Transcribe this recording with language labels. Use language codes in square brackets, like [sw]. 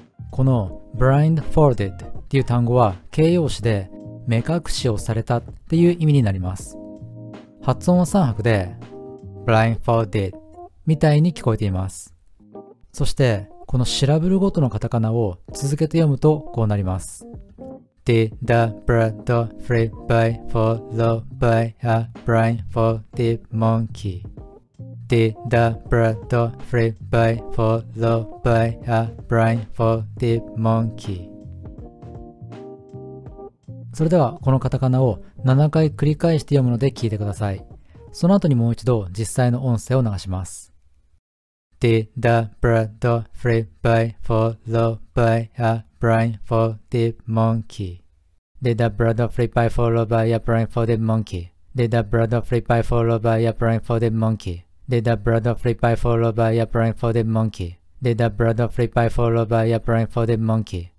[ja] この blindfolded っていう単語は形容詞で目隠しをされたっていう意味になります。発音は3拍で blindfolded みたいに聞こえています。そしてこのシラブルごとのカタカナを続けて読むとこうなります。 [en] Did a black dog flip by, followed by a blindfolded monkey? Did a black dog flip by, followed by a blindfolded monkey? それではこのカタカナを7回繰り返して読むので聞いてください。その後にもう一度実際の音声を流します。 Did a black dog flip by, followed by a blindfolded monkey? Did a black dog flip by, followed by a blindfolded monkey? Did a black dog flip by, followed by a blindfolded monkey? Did a black dog flip by, followed by a blindfolded monkey? Did a black dog flip by, followed by a blindfolded monkey?